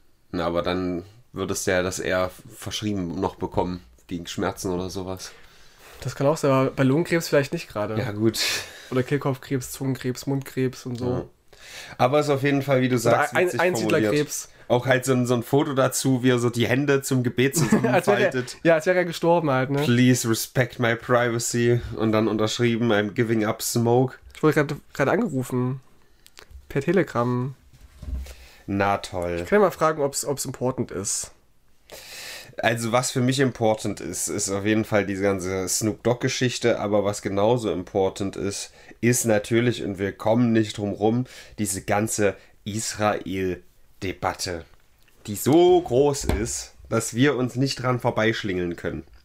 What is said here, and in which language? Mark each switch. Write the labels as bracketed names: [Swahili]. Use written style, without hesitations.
[German] Na, aber dann würdest du ja das eher verschrieben noch bekommen, gegen Schmerzen oder sowas. Das kann auch sein, aber bei Lungenkrebs vielleicht nicht gerade. Ja, gut. Oder Kehlkopfkrebs, Zungenkrebs, Mundkrebs und so. Ja. Aber es ist auf jeden Fall, wie du sagst, witzig formuliert. Einsiedlerkrebs. Auch halt so ein Foto dazu, wie er so die Hände zum Gebet zusammenfaltet. Ja, als wäre er gestorben halt, ne? [English] Please respect my privacy. [German] Und dann unterschrieben, [English] I'm giving up smoke. [German] Ich wurde gerade angerufen. Per Telegram. Na toll. Ich kann ja mal fragen, ob es important ist. Also was für mich important ist, ist auf jeden Fall diese ganze Snoop Dogg-Geschichte. Aber was genauso important ist, ist natürlich, und wir kommen nicht drum rum, diese ganze Israel-Debatte, die so groß ist, dass wir uns nicht dran vorbeischlingeln können.